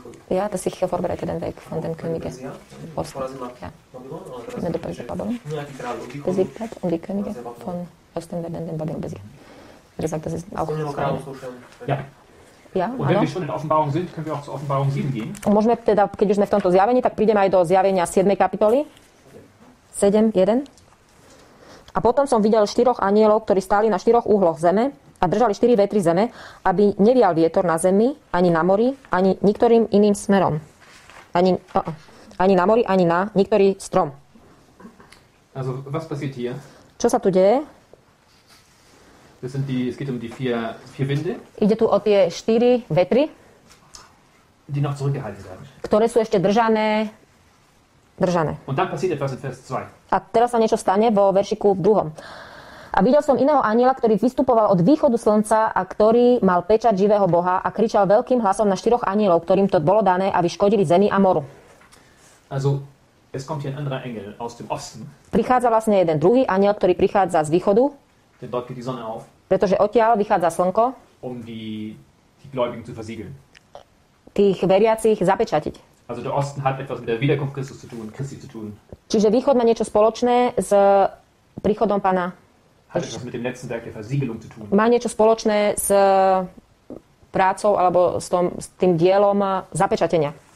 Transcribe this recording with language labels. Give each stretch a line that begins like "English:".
German: Ja, dass ich vorbereite den Weg von dem Könige. Osten. Ja. Ne, du bist Babylon. Besiegt und die Könige von Osten werden den Babylon besiegen. Er sagt, das ist auch Skalari. Ja. Ja, und wenn wir schon in Offenbarung sind, können wir auch zu Offenbarung 7 gehen.
Slovak: Môžeme teda, keď už sme v tomto zjavení, tak prídeme aj do zjavenia 7. kapitoly. 7, 1. A potom som videl štyroch anielov, ktorí stáli na štyroch úhloch zeme a držali štyri vetry zeme, aby nevial vietor na zemi, ani na mori, ani niektorým iným smerom. Ani na mori, ani na niektorý strom.
German: Also, was passiert hier?
Slovak: Čo sa tu deje?
German: Das sind die, es geht um die vier Winde.
Slovak: Ide tu o tie štyri vetry.
German: Die noch zurückgehalten werden.
Slovak: Ktoré sú ešte držané držané.
German: Und dann passiert etwas in Vers 2.
Slovak: A teraz sa niečo stane vo veršiku v druhom. A videl som iného anjela, ktorý vystupoval od východu slnca a ktorý mal pečať živého Boha a kričal veľkým hlasom na štyroch anjelov, ktorým to bolo dané, aby škodili zemi a moru.
German: Also, es kommt hier ein anderer Engel aus dem Osten.
Slovak: Prichádza vlastne jeden druhý anjel, ktorý prichádza z východu.
German: Denn dort geht die Sonne auf.
Slovak: Pretože odtiaľ vychádza slnko.
German: Um die Gläubigen zu versiegeln.
Slovak: Tých veriacich zapečatiť.
German: Also der Osten hat etwas mit der Wiederkunft Christus zu tun, Christi zu tun.
Slovak: Čiže východ má niečo spoločné s príchodom Pána.
German: Hat etwas mit dem letzten Werk der Versiegelung zu tun.
Slovak: Má niečo spoločné s prácou alebo s tým dielom zapečatenia.